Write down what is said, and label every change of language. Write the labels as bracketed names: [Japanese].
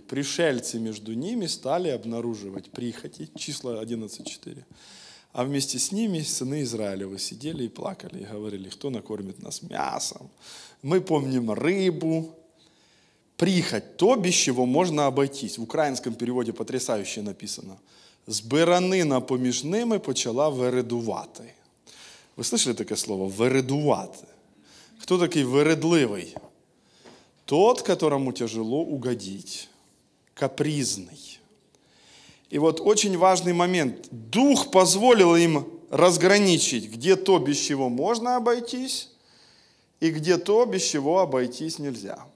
[Russian] Пришельцы между ними стали обнаруживать прихоти. Число 11.4. А вместе с ними сыны Израилевы сидели и плакали, и говорили, кто накормит нас мясом. Мы помним рыбу. Прихоть – то, без чего можно обойтись. В украинском переводе потрясающе написано. [Ukrainian] «Збиранина поміж ними почала вередувати». Ви слышали таке слово «вередувати»? Хто такий вередливий? [Russian] Тот, которому тяжело угодить. Капризний. И вот очень важный момент. Дух позволил им разграничить, где то, без чего можно обойтись, и где то, без чего обойтись нельзя.